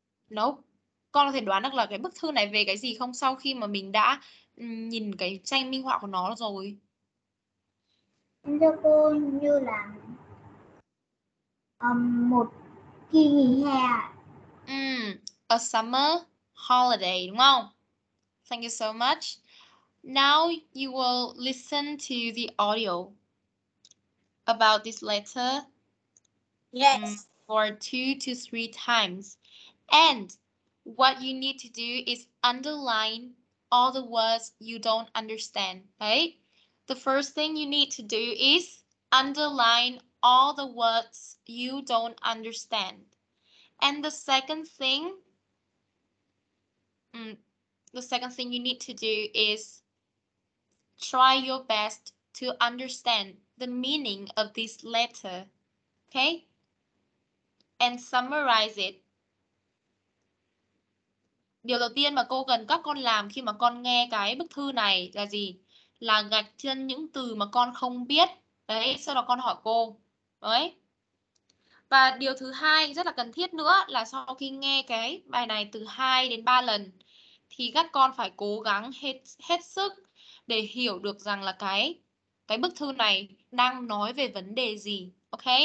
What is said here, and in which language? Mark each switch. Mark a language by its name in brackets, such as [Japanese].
[Vietnamese] Nope. Con có thể đoán được là cái bức thư này về cái gì không sau khi mà mình đã nhìn cái tranh minh họa của nó rồi? Cho cô như là một kỳ nghỉ hè. [English] A summer holiday, [Vietnamese] đúng không? [English] Thank you so much. Now you will listen to the audio about this letter. Yes. For 2 to 3 times. And what you need to do is underline all the words you don't understand, right? The first thing you need to do is underline all the words you don't understand. And the second thing, you need to do is try your best to understand the meaning of this letter, okay? And summarize it. [Vietnamese] Điều đầu tiên mà cô cần các con làm khi mà con nghe cái bức thư này là gì? Là gạch chân những từ mà con không biết. Đấy, sau đó con hỏi cô. Đấy. Và điều thứ hai rất là cần thiết nữa là sau khi nghe cái bài này từ 2 đến 3 lần thì các con phải cố gắng hết sức để hiểu được rằng là cái bức thư này đang nói về vấn đề gì. Ok?